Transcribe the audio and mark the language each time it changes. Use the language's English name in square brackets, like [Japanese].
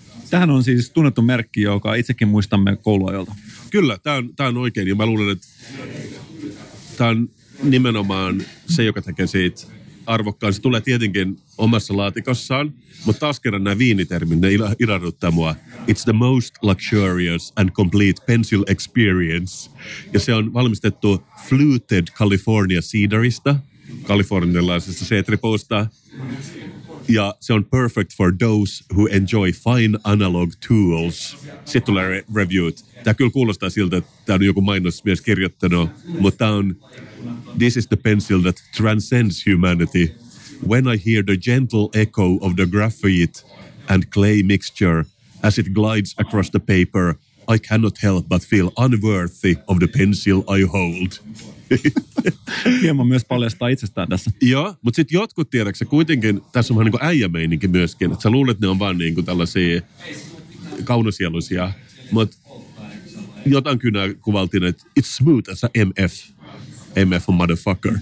[Finnish] Tähän on siis tunnettu merkki, joka itsekin muistamme kouluajolta. Kyllä, tämä on oikein. Ja mä luulen, että tämä on nimenomaan se, joka tekee siitä arvokkaan. Se tulee tietenkin omassa laatikossaan, mutta taas kerran nämä viinitermit, ne ilahduttaa mua. [English] It's the most luxurious and complete pencil experience. [Finnish] Ja se on valmistettu [English] fluted California cedarista, [Finnish] kalifornialaisesta seetripuusta. Ja se on [English] perfect for those who enjoy fine analog tools. [Finnish] Sitten tulee reviewt. Tämä kyllä kuulostaa siltä, että tämä on joku mainos myös kirjoittanut, mutta tämä on [English] this is the pencil that transcends humanity. When I hear the gentle echo of the graphite and clay mixture as it glides across the paper, I cannot help but feel unworthy of the pencil I hold. [Finnish] Hieman myös paljastaa itsestään tässä. Joo, mutta sitten jotkut tiedätkö, kuitenkin tässä on vähän niin kuin äijämeininki myöskin. Että sä luulet, että ne on vaan niin kuin tällaisia kaunosieluisia. Mutta jotain kynää kuvaltiin, että [English] it's smooth as a MF. [Finnish] MF on motherfucker.